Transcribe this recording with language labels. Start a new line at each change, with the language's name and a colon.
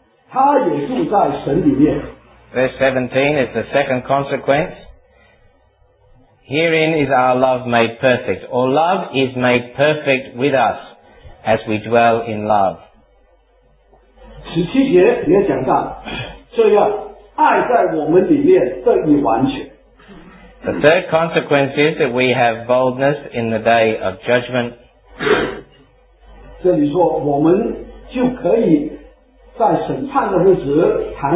English: Verse 17 is the second consequence. Herein is our love made perfect, or love is made perfect with us as we dwell in love.
Chinese: 17节也讲到，这样爱在我们里面得以完全。
English: The third consequence is that we have boldness in the day of judgment.
Chinese: 这里说我们就可以 在审判的日子,